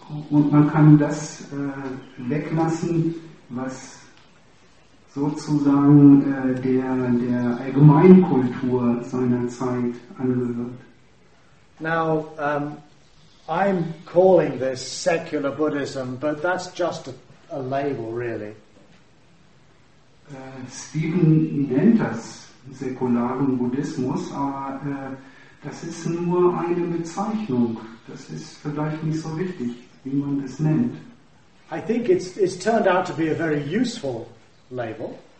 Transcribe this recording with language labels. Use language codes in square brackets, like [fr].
[de] Und man kann das weglassen, was sozusagen der Allgemeinkultur seiner Zeit angehört. [en] Now, I'm calling this secular Buddhism, but that's just a label, really. [de] Stephen nennt das säkularen Buddhismus, aber das ist nur eine Bezeichnung. Das ist vielleicht nicht so wichtig, wie man es nennt. [en] I think it's turned out to be a very useful label.